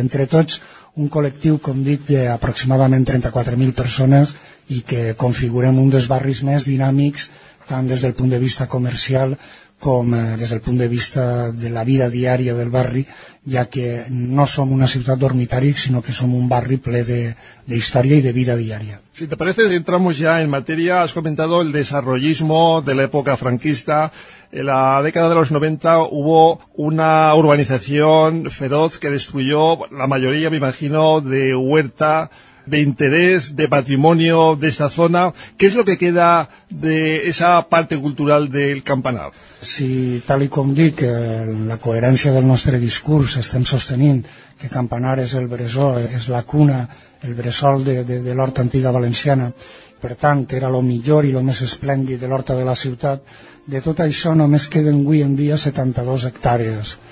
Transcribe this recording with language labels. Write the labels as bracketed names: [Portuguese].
[Catalan] Entre tots, un col·lectiu, com dic, d'aproximadament 34.000 persones i que configurem un dels barris més dinàmics, tant des del punt de vista comercial com des del punt de vista de la vida diària del barri, ja que no som una ciutat dormitari, sinó que som un barri ple de història i de vida diària. [Spanish] Si te parece, entramos ya en materia. Has comentado el desarrollismo de la época franquista. En la década de los 90 hubo una urbanización feroz que destruyó la mayoría, me imagino, de huerta, de interés, de patrimonio de esta zona. ¿Qué es lo que queda de esa parte cultural del Campanar? [Catalan] Si, tal com dic, la coherència del nostre discurs, estem sostenint que Campanar és el bressol, és la cuna, el bressol de l'horta antiga valenciana, per tant, era el millor i el més esplèndid de l'horta de la ciutat, de tot això només queden avui en dia 72 hectàrees.